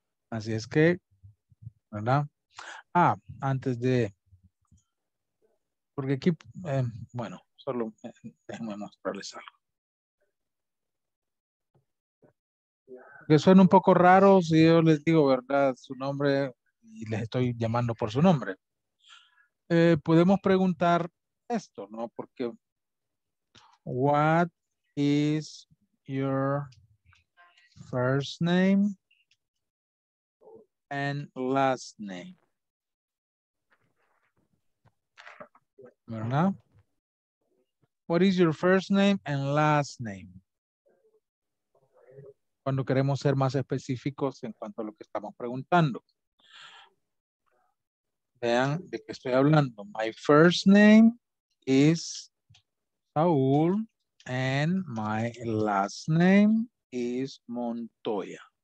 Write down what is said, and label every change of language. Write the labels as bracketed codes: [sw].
[es] Así es que, ¿verdad? Ah, antes de, porque aquí, bueno, solo déjenme mostrarles algo. Que suena un poco raro si yo les digo, ¿verdad?, su nombre y les estoy llamando por su nombre. Podemos preguntar esto, ¿no? Porque, [en] what is your first name and last name? [es] ¿Verdad? [en] What is your first name and last name? [es] Cuando queremos ser más específicos en cuanto a lo que estamos preguntando. Vean de qué estoy hablando. [en] My first name is Saúl and my last name is Montoya.